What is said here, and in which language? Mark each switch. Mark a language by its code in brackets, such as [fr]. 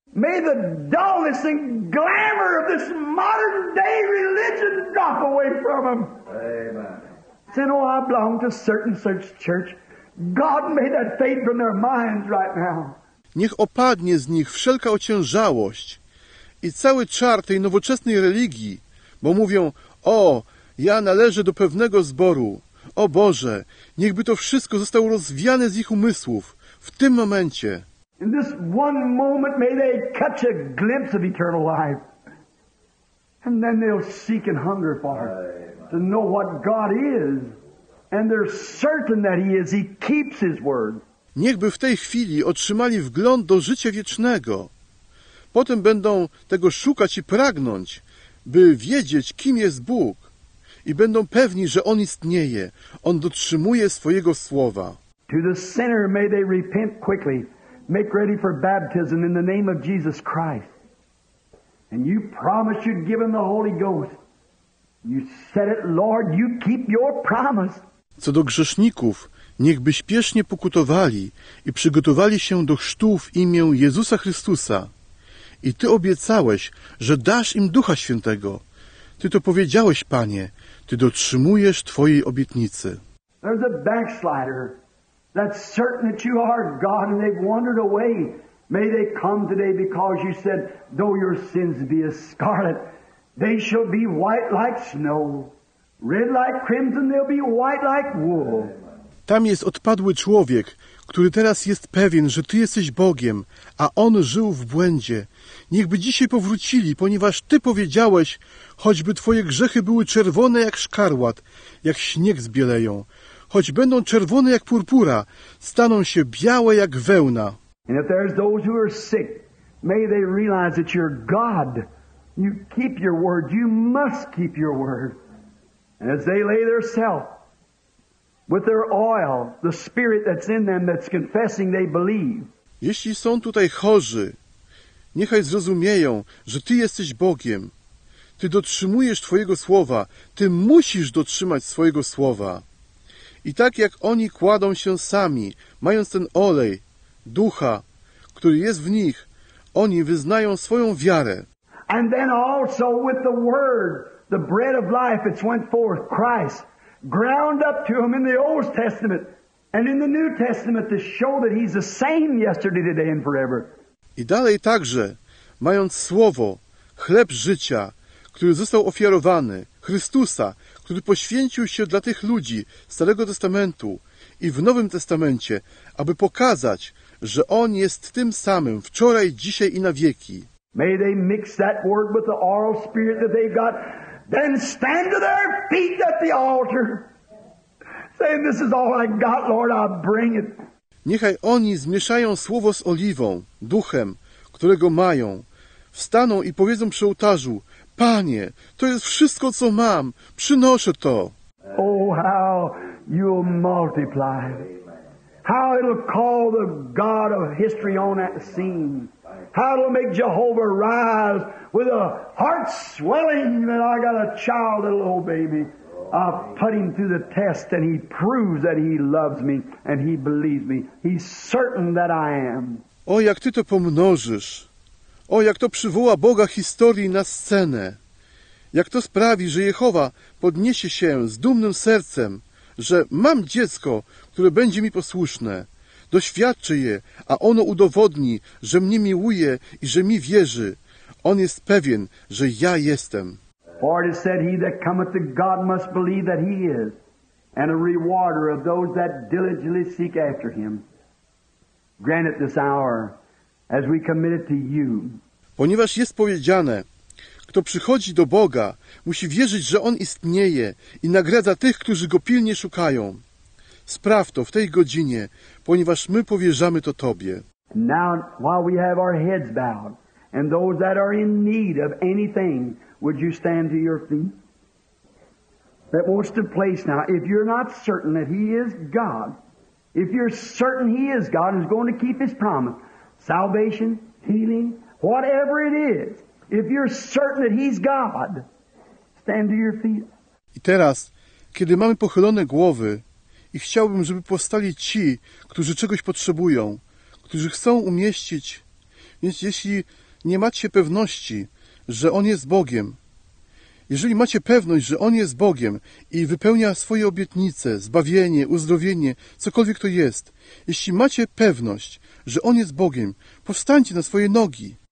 [en] May the dullness and glamour of this modern day religion drop away from them. Amen. Say, oh, I belong to certain such church. God, may that fade from their minds right now. [pl] Niech opadnie z nich wszelka ociężałość i cały czar tej nowoczesnej religii, bo mówią, o, ja należę do pewnego zboru. O Boże, niechby to wszystko zostało rozwiane z ich umysłów w tym momencie. [en] In this one moment may they catch a glimpse of eternal life. And then they'll seek and hunger for it, to know what God is. And they're certain that He is. He keeps His word. [pl] Niechby w tej chwili otrzymali wgląd do życia wiecznego. Potem będą tego szukać i pragnąć, by wiedzieć, kim jest Bóg. I będą pewni, że On istnieje. On dotrzymuje swojego słowa. [en] To the sinner may they repent quickly. Make ready for baptism in the name of Jesus Christ. And you promised you'd give him the Holy Ghost. You said it, Lord, you keep your promise. [pl] Co do grzeszników, niechby śpiesznie pokutowali i przygotowali się do chrztu w imię Jezusa Chrystusa. I Ty obiecałeś, że dasz im Ducha Świętego. Ty to powiedziałeś, Panie. Ty dotrzymujesz Twojej obietnicy. [en] There's a backslider. That's certain that you are God and they've wandered away. May they come today because you said, though your sins be as scarlet, they shall be white like snow. Red like crimson, they'll be white like wool. [pl] Tam jest odpadły człowiek, który teraz jest pewien, że Ty jesteś Bogiem, a on żył w błędzie. Niechby dzisiaj powrócili, ponieważ Ty powiedziałeś, choćby Twoje grzechy były czerwone jak szkarłat, jak śnieg zbieleją. Choć będą czerwone jak purpura, staną się białe jak wełna. [en] And if there's those who are sick, may they realize that you're God. You keep your word. You must keep your word. And as they lay their self with their oil, the spirit that's in them that's confessing they believe. [pl] Jeśli są tutaj chorzy, niechaj zrozumieją, że Ty jesteś Bogiem. Ty dotrzymujesz Twojego słowa. Ty musisz dotrzymać swojego słowa. I tak jak oni kładą się sami, mając ten olej, ducha, który jest w nich, oni wyznają swoją wiarę. [en] And then also with the word, the bread of life, it's went forth, Christ, ground up to him in the Old Testament and in the New Testament to show that he's the same yesterday, today and forever. [pl] I dalej także, mając słowo, chleb życia, który został ofiarowany, Chrystusa, który poświęcił się dla tych ludzi Starego Testamentu i w Nowym Testamencie, aby pokazać, że On jest tym samym wczoraj, dzisiaj i na wieki. [en] May they mix that word with the oral spirit that they've got, then stand to their feet at the altar, saying, this is all I got, Lord, I'll bring it. [pl] Niechaj oni zmieszają słowo z oliwą, duchem, którego mają, wstaną i powiedzą przy ołtarzu, Panie, to jest wszystko, co mam. Przynoszę to. [en] Oh, how you'll multiply. How it'll call the God of history on that scene. How it'll make Jehovah rise with a heart swelling that I got a child, a little baby. I'll put him through the test and he proves that he loves me and he believes me. He's certain that I am. [pl] O, jak Ty to pomnożysz. O, jak to przywoła Boga historii na scenę. Jak to sprawi, że Jehowa podniesie się z dumnym sercem, że mam dziecko, które będzie mi posłuszne. Doświadczy je, a ono udowodni, że mnie miłuje i że mi wierzy. On jest pewien, że ja jestem. [en] For it is said, he that cometh to God must believe that he is, and a rewarder of those that diligently seek after him. Grant it this hour. As we commit it to you. [pl] Ponieważ jest powiedziane, kto przychodzi do Boga, musi wierzyć, że On istnieje i nagradza tych, którzy Go pilnie szukają. Spraw to w tej godzinie, ponieważ my powierzamy to Tobie. [en] Now, while we have our heads bowed, and those that are in need of anything, would you stand to your feet? That wants to place now, if you're not certain that He is God, if you're certain He is God and is going to keep His promise, salvation, healing, whatever it is. If you're certain that He's God, stand to your feet. [pl] I teraz, kiedy mamy pochylone głowy i chciałbym, żeby powstali ci, którzy czegoś potrzebują, którzy chcą umieścić, więc jeśli nie macie pewności, że On jest Bogiem, jeżeli macie pewność, że On jest Bogiem i wypełnia swoje obietnice, zbawienie, uzdrowienie, cokolwiek to jest, jeśli macie pewność, że On jest Bogiem, powstańcie na swoje nogi.